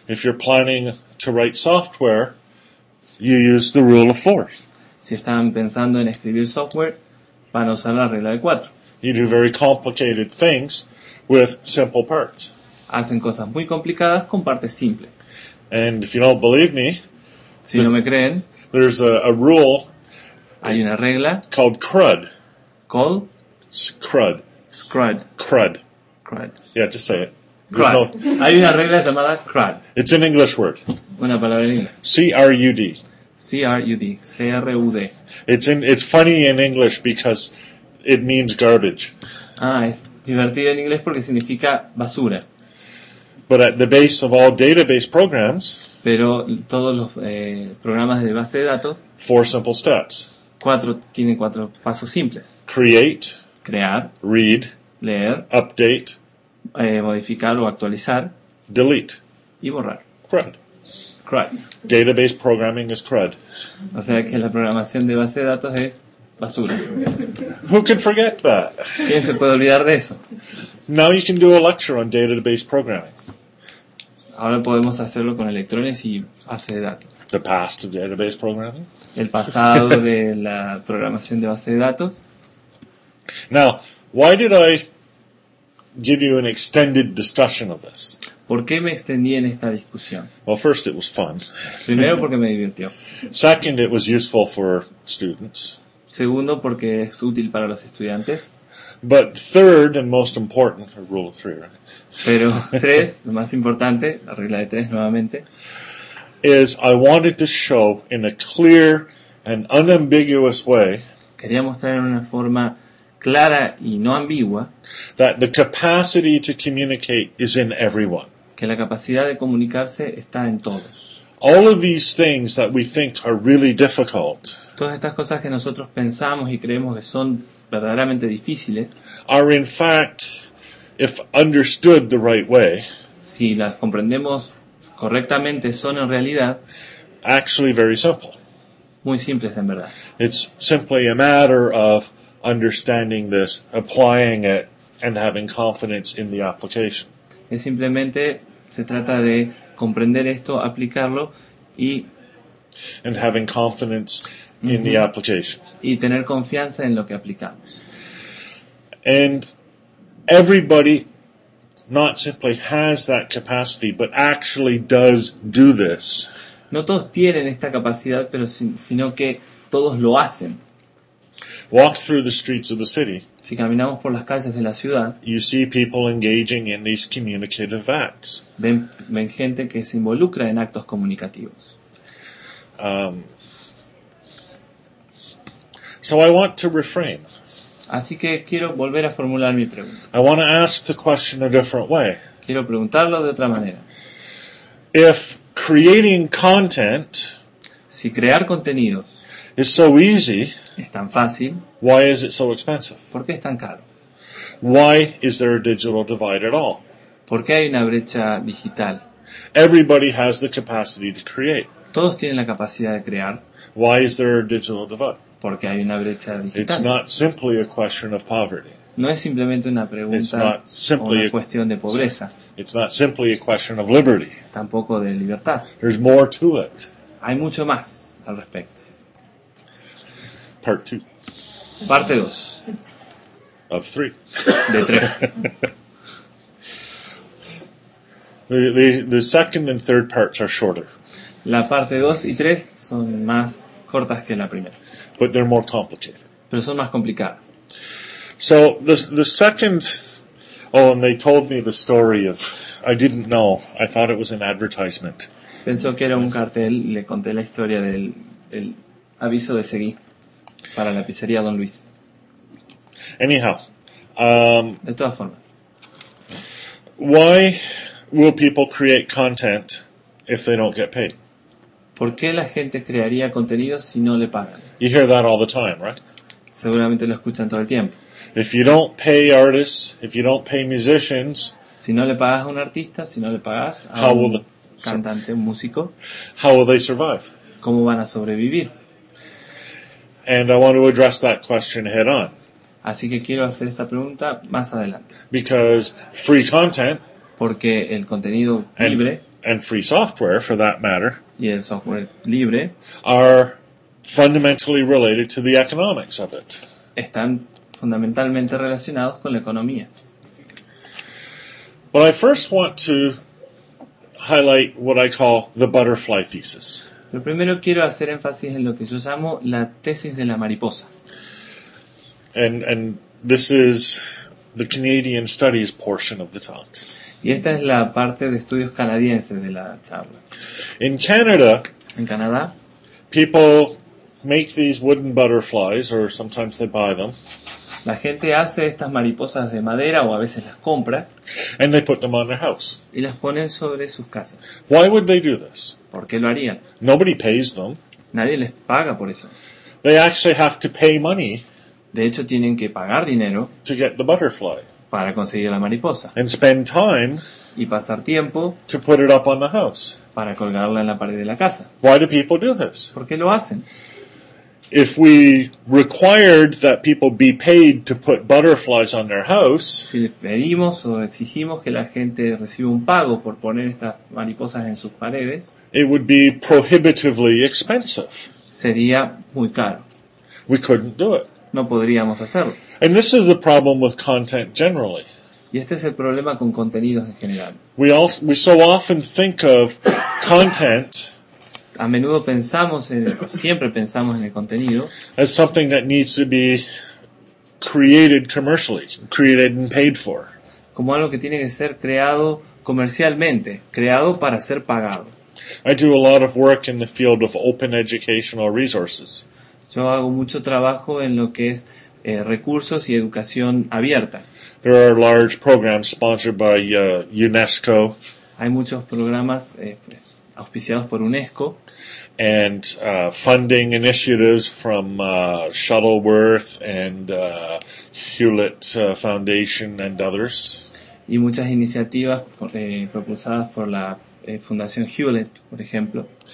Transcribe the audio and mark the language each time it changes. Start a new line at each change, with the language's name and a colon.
English: If you're planning to write software, you use the rule of fours.
Spanish: Si están pensando en escribir software, van a usar la regla de cuatro.
English: You do very complicated things with simple parts.
Spanish: Hacen cosas muy complicadas con partes simples.
English: And if you don't believe me,
Spanish: si no me creen,
English: there's a rule.
Spanish: Hay una regla
English: called CRUD. Called? CRUD. CRUD. CRUD. CRUD. Yeah, just say it.
Spanish: CRUD. No. Hay una regla llamada CRUD.
English: It's an English word.
Spanish: Una palabra en inglés.
English: C-R-U-D. C-R-U-D. C-R-U-D. It's funny in English because it means garbage.
Spanish: Ah, es divertido en inglés porque significa basura.
English: But at the base of all database programs,
Spanish: pero todos los programas de base de datos,
English: four simple steps.
Spanish: Tienen cuatro pasos simples.
English: Create,
Spanish: crear,
English: read,
Spanish: leer,
English: update,
Spanish: modificar o actualizar,
English: delete,
Spanish: y borrar.
English: CRUD. CRUD. Database programming is CRUD.
Spanish: O sea que la programación de base de datos es basura.
English: Who can forget that?
Spanish: ¿Quién se puede olvidar de eso?
English: Now you can do a lecture on database programming.
Spanish: Ahora podemos hacerlo con electrones y base de datos.
English: The past of database programming.
Spanish: El pasado de la programación de base de datos.
English: Now, why did I give you an extended discussion of this?
Spanish: ¿Por qué me extendí en esta discusión?
English: Well, first it was fun.
Spanish: Primero porque me divirtió.
English: Second, it was useful for students.
Spanish: Segundo, porque es útil para los estudiantes.
English: But third and most important, rule of three, right?
Spanish: Pero tres, lo más importante, la regla de tres nuevamente.
English: Is I wanted to show in a clear and unambiguous way.
Spanish: Quería mostrar en una forma clara y no ambigua.
English: That the capacity to communicate is in everyone.
Spanish: Que la capacidad de comunicarse está en todos.
English: All of these things that we think are really difficult.
Spanish: Todas estas cosas que nosotros pensamos y creemos que son verdaderamente difíciles,
English: are in fact, if understood the right way,
Spanish: si las comprendemos correctamente, son en realidad
English: actually very simple.
Spanish: Muy simples en verdad.
English: It's simply a matter of understanding this, applying it, and having confidence in the application.
Spanish: Es simplemente, se trata de comprender esto, aplicarlo y
English: and having confidence in the application.
Spanish: Y tener confianza en lo que aplicamos.
English: And everybody not simply has that capacity, but actually does do this.
Spanish: No todos tienen esta capacidad, pero sino que todos lo hacen.
English: Walk through the streets of the city.
Spanish: Si caminamos por las calles de la ciudad,
English: you see people engaging in these communicative acts.
Spanish: Ven gente que se involucra en actos comunicativos.
English: So I want to reframe.
Spanish: Así que quiero volver a formular mi pregunta.
English: I want to ask the question a different way.
Spanish: Quiero preguntarlo de otra manera.
English: If creating content,
Spanish: si crear contenidos,
English: is so easy,
Spanish: es tan fácil,
English: why is it so expensive?
Spanish: ¿Por qué es tan caro?
English: Why is there a digital divide at all?
Spanish: ¿Por qué hay una brecha digital?
English: Everybody has the capacity to create.
Spanish: Todos tienen la capacidad de crear.
English: Why is there a digital divide?
Spanish: Porque hay una brecha digital.
English: It's not simply a question of poverty.
Spanish: No es simplemente una pregunta o una cuestión de pobreza.
English: It's not simply a question of liberty.
Spanish: Tampoco de libertad.
English: There's more to it.
Spanish: Hay mucho más al respecto.
English: Part 2.
Spanish: Parte 2.
English: Of 3.
Spanish: De 3.
English: The second and third parts are shorter.
Spanish: La parte 2 y 3 son más cortas que la primera.
English: But they're more complicated.
Spanish: Pero son más complicadas.
English: So the second, and they told me the story of, I didn't know, I thought it was an advertisement.
Spanish: Pensó que era un cartel, le conté la historia del aviso de Seguí para la pizzería Don Luis.
English: Anyhow.
Spanish: De todas formas.
English: Why will people create content if they don't get paid?
Spanish: ¿Por qué la gente crearía contenido si no le pagan?
English: You hear that all the time, right?
Spanish: Seguramente lo escuchan todo el tiempo.
English: If you don't pay artists, if you don't pay musicians,
Spanish: si no le pagas a un artista, si no le pagas a how un will the, cantante, un músico,
English: how will they survive?
Spanish: ¿Cómo van a sobrevivir?
English: And I want to address that question head on.
Spanish: Así que quiero hacer esta pregunta más adelante.
English: Because free content,
Spanish: porque el contenido libre,
English: and free software for that matter,
Spanish: y el software libre,
English: are fundamentally related to the economics of it.
Spanish: Están fundamentalmente relacionados con la economía.
English: But I first want to highlight what I call the butterfly thesis.
Spanish: Pero primero quiero hacer énfasis en lo que yo llamo la tesis de la mariposa.
English: And this is the Canadian studies portion of the talk.
Spanish: Y esta es la parte de estudios canadienses de la charla.
English: In Canada,
Spanish: en Canadá,
English: people make these wooden butterflies, or sometimes they buy them.
Spanish: La gente hace estas mariposas de madera, o a veces las compra.
English: And they put them on their house.
Spanish: Y las ponen sobre sus casas.
English: Why would they do this?
Spanish: ¿Por qué lo harían?
English: Nobody pays them.
Spanish: Nadie les paga por eso.
English: They actually have to pay money.
Spanish: De hecho, tienen que pagar dinero
English: to get the butterfly
Spanish: para conseguir la mariposa
English: and spend time
Spanish: y pasar tiempo
English: to put it up on the house
Spanish: para colgarla en la pared de la casa.
English: Why do people do this?
Spanish: ¿Por qué lo hacen?
English: If we required that people be paid to put butterflies on their house,
Spanish: si pedimos o exigimos que la gente reciba un pago por poner estas mariposas en sus paredes,
English: it would be prohibitively expensive.
Spanish: Sería muy caro.
English: We couldn't do it.
Spanish: No podríamos hacerlo.
English: And this is the problem with content generally.
Spanish: Y este es el problema con contenidos en general.
English: We so often think of content.
Spanish: A menudo pensamos en, siempre pensamos en el contenido.
English: As something that needs to be created commercially, created and paid for.
Spanish: Como algo que tiene que ser creado comercialmente, creado para ser pagado.
English: I do a lot of work in the field of open educational resources.
Spanish: Yo hago mucho trabajo en lo que es recursos y educación abierta.
English: There are large programs sponsored by UNESCO.
Spanish: Hay muchos programas auspiciados por UNESCO.
English: And funding initiatives from Shuttleworth and Hewlett Foundation and others.
Spanish: Y muchas iniciativas propulsadas por la Fundación Hewlett, por ejemplo.